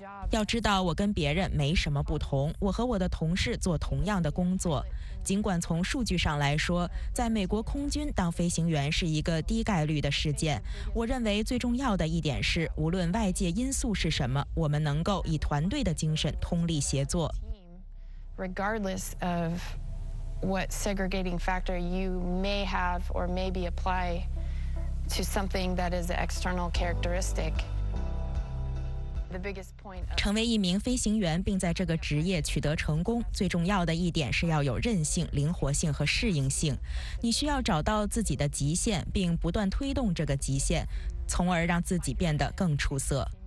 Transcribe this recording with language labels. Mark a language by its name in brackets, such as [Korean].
[Chinese] 要知道，我跟别人没什么不同，我和我的同事做同样的工作。尽管从数据上来说，在美国空军当飞行员是一个低概率的事件，我认为最重要的一点是，无论外界因素是什么，我们能够以团队的精神通力协作。 [English] Regardless of what segregating factor you may have or maybe apply to something that is an external characteristic. [Chinese] 成为一名飞行员并在这个职业取得成功，最重要的一点是要有韧性、灵活性和适应性。你需要找到自己的极限，并不断推动这个极限，从而让自己变得更出色。